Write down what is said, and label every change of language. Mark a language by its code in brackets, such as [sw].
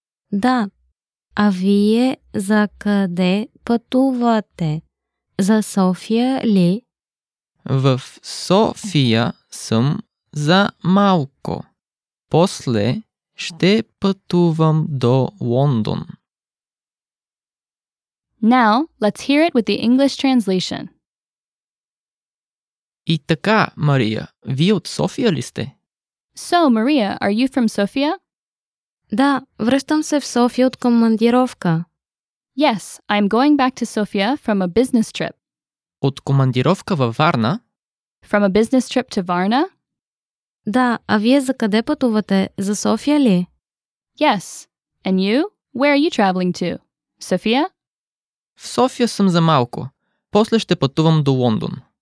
[bg] Да, а вие за къде пътувате? За София ли? В София съм. За малко. После ще пътувам до Лондон. [en] Now, let's hear it with the English translation. [bg] И така, Мария, вие от София ли сте? [en] So, Maria, are you from Sofia? [bg] Да, връщам се в София от командировка. [en] Yes, I'm going back to Sofia from a business trip. [bg] От командировка във Варна? [en] From a business trip to Varna? [bg] Да, а вие за къде пътувате? За София ли? [en] Yes. And you? Where are you traveling to? София? [bg] В София съм за малко. После ще пътувам до Лондон.